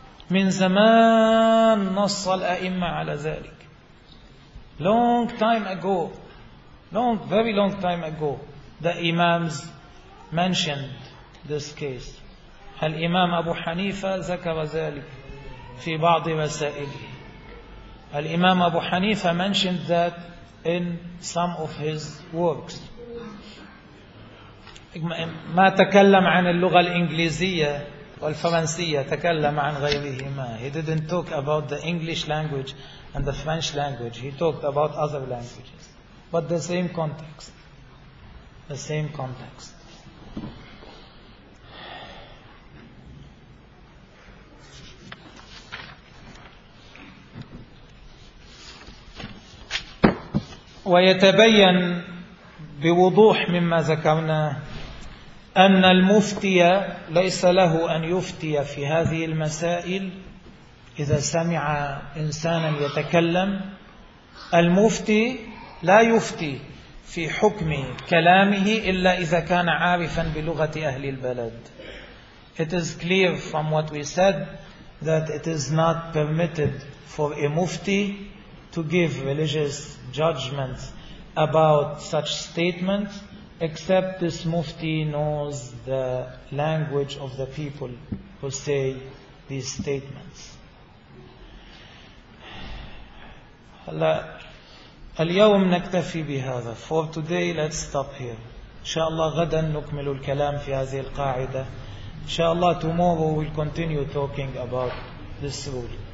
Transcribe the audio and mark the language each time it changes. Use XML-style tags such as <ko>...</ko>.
<ar>من زمان نص الأئمة على ذلك.</ar> <en>Long time ago. Long, very long time ago, the Imams mentioned this case.</en> <ar>Al Imam Abu Hanifa ذكر ذلك في بعض رسائله.</ar> <en>Al Imam Abu Hanifa mentioned that in some of his works.</en> <ar>ما تكلم عن اللغة الإنجليزية والفرنسية, تكلم عن غيرهما.</ar> <en>He didn't talk about the English language and the French language. He talked about other languages. But the same context. The same context.</en> <ar>ويتبين بوضوح مما ذكرنا أن المفتي ليس له أن يفتي في هذه المسائل. إذا سمع إنسانا يتكلم, المفتي لا يفتي في حكم كلامه إلا إذا كان عارفا بلغة أهل البلد.</ar> <en>It is clear from what we said that it is not permitted for a mufti to give religious judgments about such statements except this mufti knows the language of the people who say these statements.</en> <ar>Allah. اليوم نكتفي بهذا.</ar> <en>For today, let's stop here.</en> <ar>إن شاء الله غدا نكمل الكلام في هذه القاعدة. إن شاء الله</ar> <en>tomorrow we'll continue talking about this rule.</en>